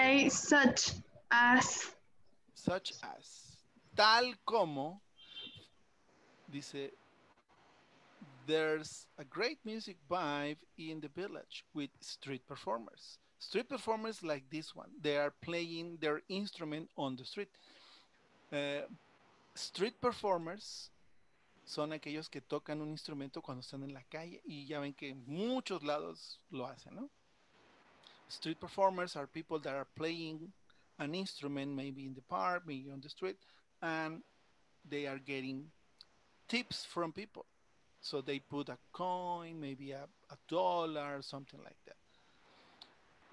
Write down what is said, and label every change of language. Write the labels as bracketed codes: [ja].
[en] Such as, [es] tal como, dice, [en] there's a great music vibe in the village with street performers. Street performers like this one, they are playing their instrument on the street. [es] Street performers son aquellos que tocan un instrumento cuando están en la calle, y ya ven que muchos lados lo hacen, ¿no? [en] Street performers are people that are playing an instrument, maybe in the park, maybe on the street, and they are getting tips from people. So they put a coin, maybe a dollar, something like that.